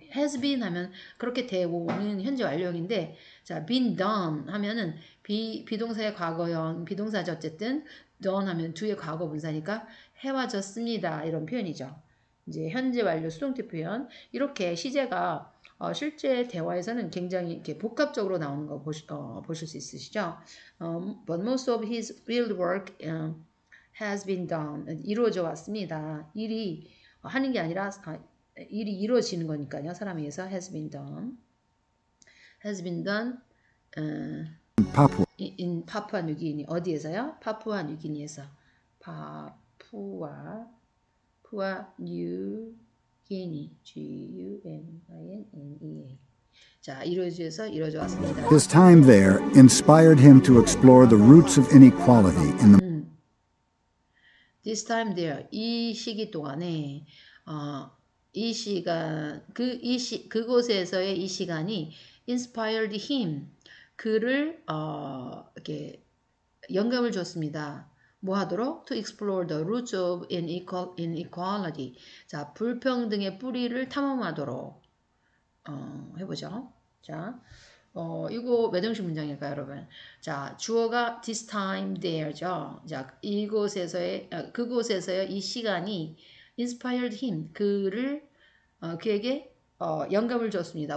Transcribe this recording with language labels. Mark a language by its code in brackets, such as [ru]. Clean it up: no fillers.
[en] has been [ko] 하면 그렇게 되고는 현재 완료형인데 자 [en] been done [ko] 하면은 비동사의 과거형 비동사죠 어쨌든 done 하면 to의 과거 분사니까 해와졌습니다 이런 표현이죠. 이제 현재 완료 수동태 표현 이렇게 시제가 실제 대화에서는 굉장히 이렇게 복합적으로 나오는 거 보실 수 있으시죠? [en] But most of his field work has been done. [ko] 이루어져 왔습니다. 일이 하는 게 아니라 일이 이루어지는 거니까요. 사람에 의해서 [en] has been done. Has been done in Papua New Guinea. [ko] 어디에서요? Papua New Guinea에서. Papua New Guinea. Guinea. 자, 이루어져서 이루어져 왔습니다. [en] His time there inspired him to explore the roots of inequality in the This time there [ko] 이 시기 동안에 이 시간 그곳에서의 이 시간이 [en] inspired him [ko] 그를 이렇게 영감을 줬습니다. 뭐 하도록 [en] to explore the roots of inequality. [ko] 자, 불평등의 뿌리를 탐험하도록 해보죠. 자, 이거 외동식 문장일까요, 여러분? 자, 주어가 [en] this time there [ko] 죠. 자, 이곳에서의 그곳에서의 이 시간이 [en] inspired him [ko] 그를 그에게 영감을 줬습니다.